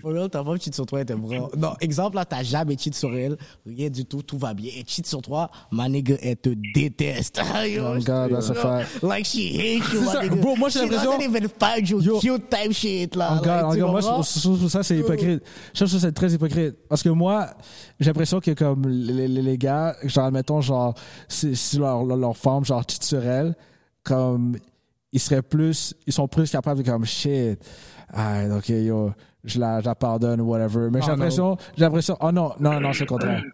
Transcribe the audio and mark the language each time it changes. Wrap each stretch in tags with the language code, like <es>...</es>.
<fr>Ta femme cheat sur toi, elle était vraiment. Non, exemple, là, t'as jamais cheat sur elle, rien du tout, tout va bien. Elle cheat sur toi, ma nigga, elle te déteste.</fr> <en>Yo, oh, God, that's a fact. Like, she hates you,</en> <fr>c'est ça, bro, moi, j'ai l'impression.</fr> <en>She doesn't even find you yo, cute type shit, là. Oh, God, like, oh, God,</en> <fr>moi, je trouve ça, c'est hypocrite. Je trouve ça, c'est très hypocrite. Parce que moi, j'ai l'impression que, comme les gars, genre, admettons, genre, si leur femme, genre, cheat sur elle, comme, ils seraient plus. Ils sont plus capables de, comme, shit. Ah, ok, yo. Je la pardonne ou whatever. Mais j'ai l'impression. Oh non, non, non, c'est contraire.</fr>